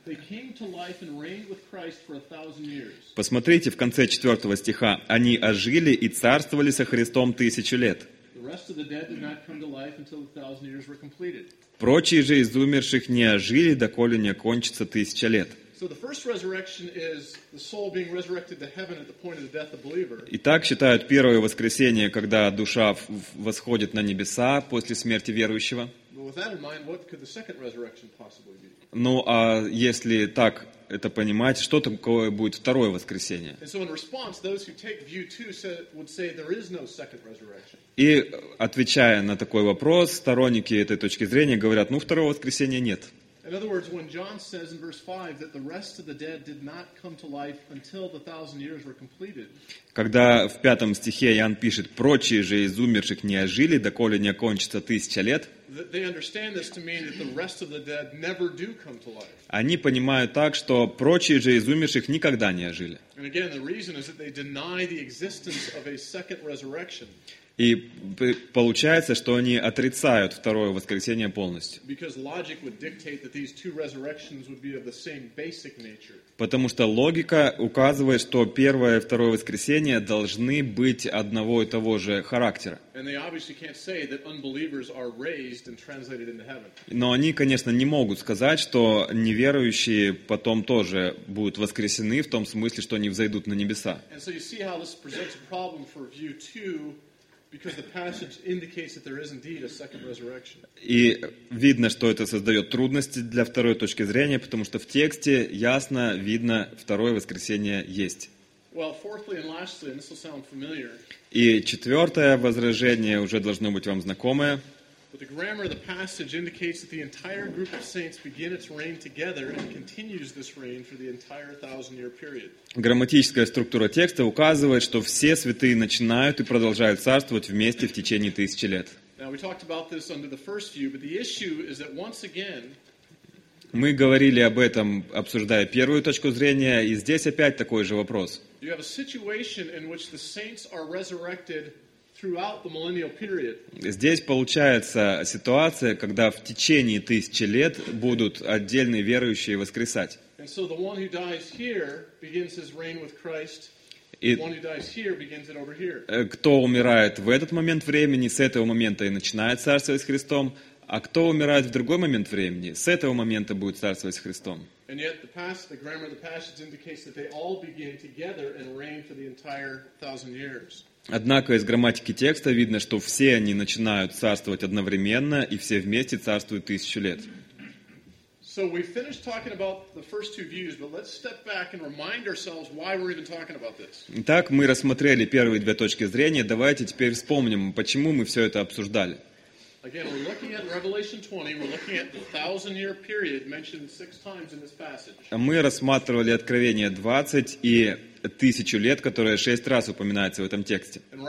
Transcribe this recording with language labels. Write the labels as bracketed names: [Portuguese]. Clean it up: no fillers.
[English] They came to life and reigned with Christ for 1,000 years. [Russian] Посмотрите в конце 4 стиха. Они ожили и царствовали со Христом 1,000 лет. [English] The rest of the dead did not come to life until the 1,000 years were completed. [Russian] Прочие же из умерших не ожили, доколе не кончится 1,000 лет. [English] So the first resurrection is the soul being resurrected to heaven at the point of the death of the believer. [Russian] Итак, считают первое воскресение, когда душа восходит на небеса после смерти верующего. [English] With that in mind, what could the second resurrection possibly be? [Russian] Ну, а если так это понимать, что такое будет второе воскресение? [English] And so in response, those who take view two would say there is no second resurrection. [Russian] И отвечая на такой вопрос, сторонники этой точки зрения говорят, ну, второго воскресения нет. [English] In other words, when John says in verse 5 that the rest of the dead did not come to life until the 1,000 years were completed. [Russian] Когда в 5 стихе Иоанн пишет, прочие же из умерших не ожили, доколе не кончится 1,000 лет. [English] They understand this to mean that the rest of the dead never do come to life. [Russian] Они понимают так, что прочие же из умерших никогда не ожили. [English] And again, the reason is that they deny the existence of a second resurrection. [Russian] И получается, что они отрицают второе воскресение полностью. [English] Because logic would dictate that these two resurrections would be of the same basic nature. [Russian] Потому что логика указывает, что первое и второе воскресение должны быть одного и того же характера. [English] And they obviously can't say that unbelievers are raised and translated into heaven. [Russian] Но они, конечно, не могут сказать, что неверующие потом тоже будут воскресены в том смысле, что они взойдут на небеса. [English] And so you see how this presents a problem for view two, because the passage indicates that there is indeed a second resurrection. [Russian] И видно, что это создает трудности для второй точки зрения, потому что в тексте ясно видно, второе воскресение есть. [English] Well, fourthly and lastly, and this will sound familiar. [Russian] И четвертое возражение уже должно быть вам знакомое. [English] But the grammar of the passage indicates that the entire group of saints begin its reign together and continues this reign for the entire 1,000-year period. [Russian] Грамматическая структура текста указывает, что все святые начинают и продолжают царствовать вместе в течение 1,000 лет. [English] Now we talked about this under the first view, but the issue is that once again. [Russian] Мы говорили об этом, обсуждая первую точку зрения, и здесь опять такой же вопрос. [English] You have a situation in which the saints are resurrected throughout the millennial period. [Russian] Здесь получается ситуация, когда в течение 1,000 лет будут отдельные верующие воскресать. [English] And so the one who dies here begins his reign with Christ. The one who dies here begins it over here. [Russian] Кто умирает в этот момент времени, с этого момента и начинает царствовать с Христом, а кто умирает в другой момент времени, с этого момента будет царствовать с Христом. [English] And yet the grammar of the passage indicates that they all begin together and reign for the entire 1,000 years. [Russian] Однако из грамматики текста видно, что все они начинают царствовать одновременно, и все вместе царствуют 1,000 лет. [English] So we finished talking about the first two views, but let's step back and remind ourselves why we're even talking about this. [Russian] Итак, мы рассмотрели первые две точки зрения, давайте теперь вспомним, почему мы все это обсуждали. [English] Again, we're looking at Revelation 20, we're looking at the 1,000-year period mentioned 6 times in this passage. [Russian] Мы рассматривали Откровение 20 и 1,000 лет, которое 6 раз упоминается в этом тексте.